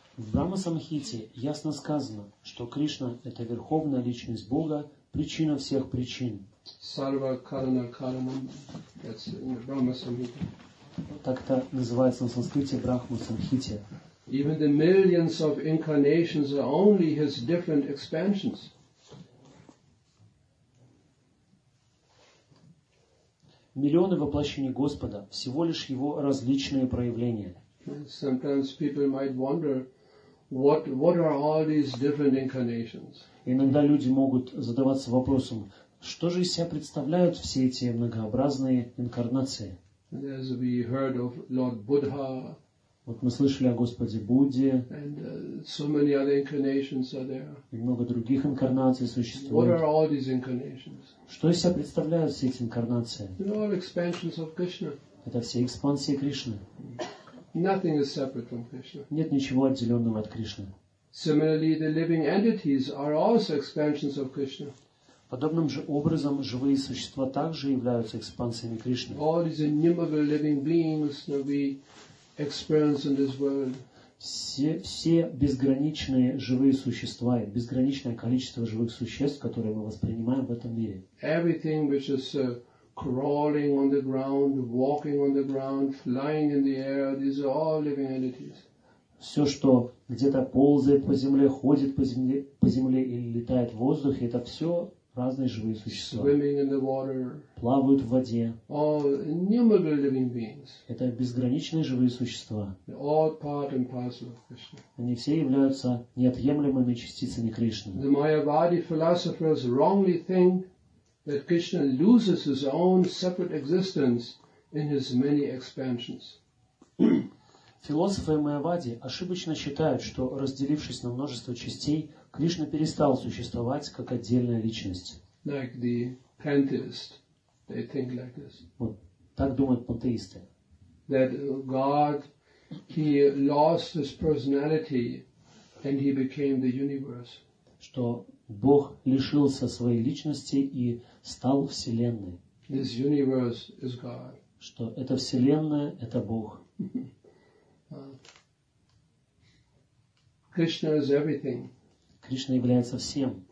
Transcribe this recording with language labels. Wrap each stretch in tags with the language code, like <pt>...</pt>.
<ru>В Брахма Самхите ясно сказано, что Кришна – это Верховная Личность Бога, причина всех причин.</ru> <sa>Sarva Karana Karanam,</sa> <en>that's in the Brahma Samhita.</en> <ru>Так это называется на санскрите Брахма Самхите.</ru> <en>Even the millions of incarnations are only his different expansions.</en> <ru>Миллионы воплощений Господа – всего лишь его различные проявления.</ru> <en>Sometimes people might wonder, What are all these different incarnations?</en> <ru>Иногда люди могут задаваться вопросом, что же из себя представляют все эти многообразные инкарнации?</ru> <en>As we heard of Lord Buddha.</en> <ru>Вот мы слышали о Господе Будде.</ru> <en>And so many other incarnations are there.</en> <ru>И много других инкарнаций существует.</ru> <en>What are all these incarnations?</en> <ru>Что из себя представляют все эти инкарнации?</ru> <en>All expansions of Krishna.</en> <ru>Это все экспансии Кришны.</ru> <en>Nothing is separate from Krishna.</en> <ru>Нет ничего отделенного от Кришны.</ru> <en>Similarly, the living entities are also expansions of Krishna.</en> <ru>Подобным же образом живые существа также являются экспансиями Кришны.</ru> <en>All these innumerable living beings that we experience in this world.</en> <ru>Все безграничные живые существа, безграничное количество живых существ, которые мы воспринимаем в этом мире.</ru> <en>Everything which is crawling on the ground, walking on the ground, flying in the air, these are all living entities.</en> <ru>Все, что где-то ползает по земле, ходит по земле или летает в воздухе, это все разные живые существа.</ru> <en>Swimming in the water.</en> <ru>Плавают в воде.</ru> <en>All innumerable living beings.</en> <ru>Это безграничные живые существа.</ru> <en>All part and parcel of Krishna.</en> <ru>Они все являются неотъемлемыми частицами Кришны.</ru> <en>The Mayavadi philosophers wrongly think that Krishna loses his own separate existence in his many expansions.</en> <ru>Философы Майявади ошибочно считают, что, разделившись на множество частей, Кришна перестал существовать как отдельная личность.</ru> <en>Like the pantheist, they think like this.</en> <ru>Вот так думают пантеисты.</ru> <en>That God, he lost his personality and he became the universe.</en> <ru>Что Бог лишился своей личности и стал Вселенной.</ru> <en>This universe is God.</en> <ru>Что эта Вселенная – это Бог.</ru> <en>Krishna is everything.</en> <ru>Кришна является всем.</ru>